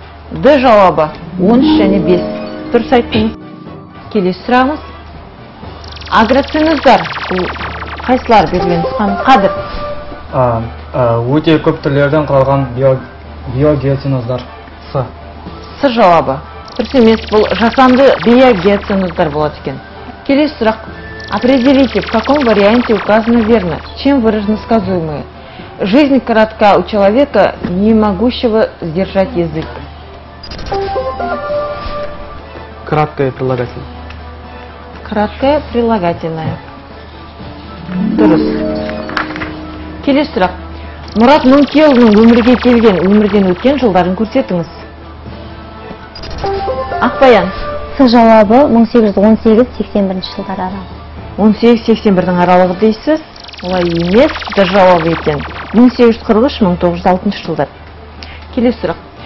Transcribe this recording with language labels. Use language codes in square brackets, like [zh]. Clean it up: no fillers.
[kk] Да жауабы 13 және 5. Дұрыс айттыңыз. Келесі сұрағымыз. Агроценоздар. Қайсылар берген сұқан? Қадыр. Өте көп түрлерден құралған биогеоценоздар. С. С жауабы. Дұрыс емес, бұл жасанды биогеоценоздар болады екен. Келесі сұрақ. [ru] Определите, в каком варианте указано верно, чем выражены сказуемые. Жизнь коротка у человека, не могущего сдержать язык. Краткое прилагательное. Краткое прилагательное. [kk] Дұрыс. Келесі сұрақ. Мұрат Мұңкелдің өмірге келген, өмірден өткен жылдарын көрсетіңіз. Ақбаян. Сіз жауабы 1818-81 жылдар аралығы. 1818-81 аралығы дейсіз? Олай емес, сіз жауабы екен. 1843-1906 жылдар. Келесі сұрақ.